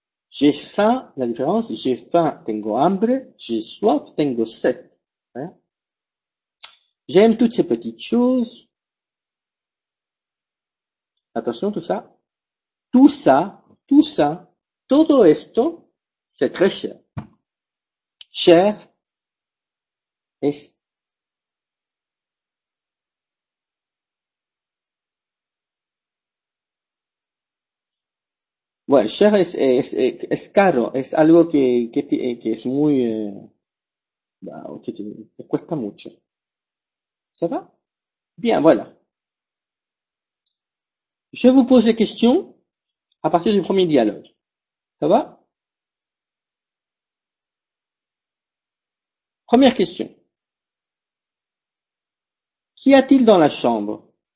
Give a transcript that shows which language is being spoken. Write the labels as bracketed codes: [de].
[fr] J'ai faim, la différence, j'ai faim, [es] tengo hambre, [fr] j'ai soif, [es] tengo sed. [fr] Hein? J'aime toutes ces petites choses. Attention, tout ça. Tout ça, [es] todo esto, [fr] c'est très cher. [es] Cher es bueno, cher es caro, es algo que es muy que cuesta mucho. ¿Se va? Bien, [fr] voilà. Je vous pose des questions à partir du premier dialogue. Ça va? Première question. Qu'y a-t-il dans la chambre?